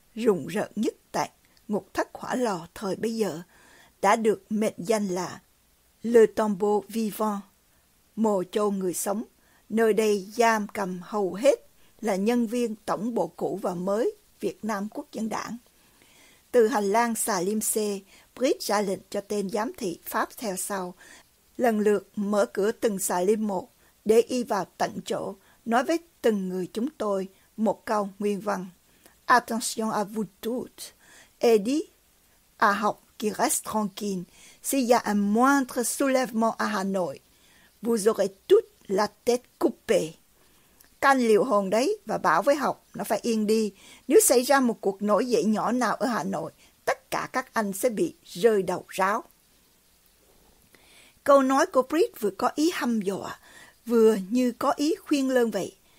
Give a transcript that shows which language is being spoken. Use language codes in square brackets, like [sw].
[vi] rùng rợn nhất tại Ngục Thất Hỏa Lò thời bấy giờ, đã được mệnh danh là Le Tombeau Vivant, mồ chôn người sống, nơi đây giam cầm hầu hết là nhân viên tổng bộ cũ và mới Việt Nam Quốc Dân Đảng. Từ hành lang xà lim xê, Brit ra lệnh cho tên giám thị Pháp theo sau, lần lượt mở cửa từng xà lim một để y vào tận chỗ, nói với từng người chúng tôi một câu nguyên văn. [fr] Attention à vous tous, et dit à học qui reste tranquille, s'il y a un moindre soulèvement à Hanoi, vous aurez toute la tête coupée. [vi] Canh liều hồn đấy và bảo với học, nó phải yên đi. Nếu xảy ra một cuộc nổi dậy nhỏ nào ở Hà Nội, tất cả các anh sẽ bị rơi đầu ráo. Câu nói của Brit vừa có ý hăm dọa, vừa như có ý khuyên lơn vậy.